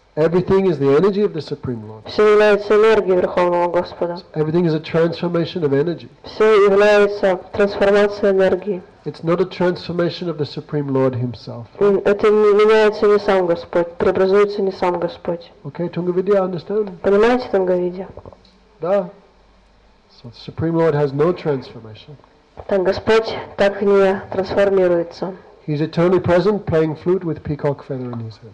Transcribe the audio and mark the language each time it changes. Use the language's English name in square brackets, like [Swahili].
[English] Everything is the energy of the Supreme Lord. [Russian] Все является энергией Верховного Господа. [English] Everything is a transformation of energy. [Russian] Все является трансформацией энергии. [English] It's not a transformation of the Supreme Lord Himself. [Russian] Это не меняется не сам Господь, преобразуется не сам Господь. [English] Okay, Тунгавидья, understand? [Russian] Понимаете, Тунгавидья? Да. [English] So the Supreme Lord has no transformation. [Russian] Так Господь так не трансформируется. [English] He's eternally present, playing flute with peacock feather in his head.